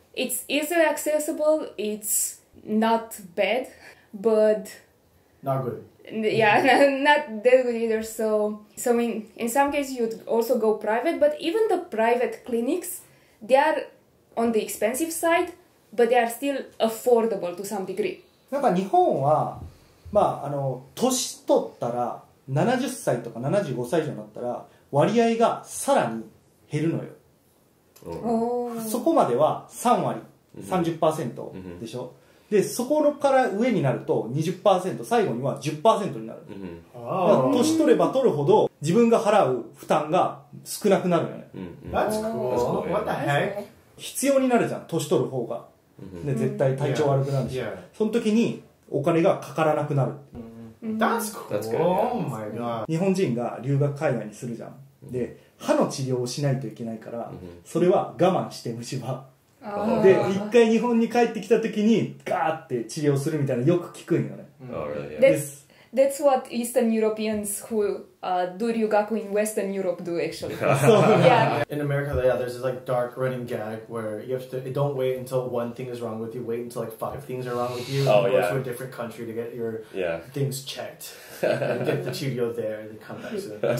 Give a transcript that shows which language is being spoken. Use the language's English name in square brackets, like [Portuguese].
[English] it's easily accessible, it's not bad. But not good. Not that good either. So in some cases you'd also go private, but even the private clinics, they are on the expensive side, but they are still affordable to some degree. [Japanese] なんか日本は、まあ、あの、年取ったら70歳とか75歳以上になったら割合がさらに減るのよ。そこまでは3割、30% でしょ。でそこから上になると 20% 最後には 10% になる、年取れば取るほど自分が払う負担が少なくなるよね、 [English] That's cool. That's cool. What the heck? [Japanese] 必要になるじゃん年取る方が、で絶対体調悪くなるし、その時にお金がかからなくなる、 [English] That's cool. That's good. Oh my god. [Japanese] 日本人が留学海外にするじゃん、で歯の治療をしないといけないから、それは我慢して虫歯で、一回日本に帰ってきた時にガーって治療するみたいなのよく聞くんよね。 [English] That's what Eastern Europeans who do ryugaku in Western Europe do actually. Yeah. In America, yeah, there's this like dark running gag where you have to don't wait until one thing is wrong with you. Wait until like five things are wrong with you. Oh, yeah. Go to a different country to get your things checked. Get the chiyo there and come back soon.